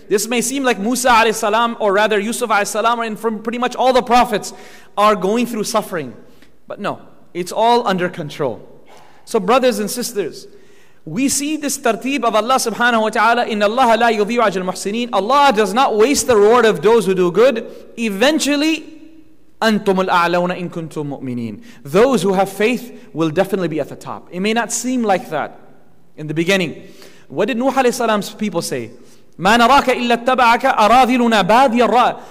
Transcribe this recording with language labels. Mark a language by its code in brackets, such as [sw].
[en] This may seem like Musa alayhi salam, or rather Yusuf alayhi salam, and from pretty much all the prophets are going through suffering. But no. It's all under control. So brothers and sisters, we see this tartib of Allah subhanahu wa ta'ala, [ar] in Allah la yudhi'u ajra al-muhsinin. [en] Allah does not waste the reward of those who do good. Eventually, [ar] أنتم الأعلون إن كنتم مؤمنين. [en] Those who have faith will definitely be at the top. It may not seem like that in the beginning. What did Nuh عليه السلام's people say? [ar] ما نراك إلا تبعك أراذلنا بادي الرأ.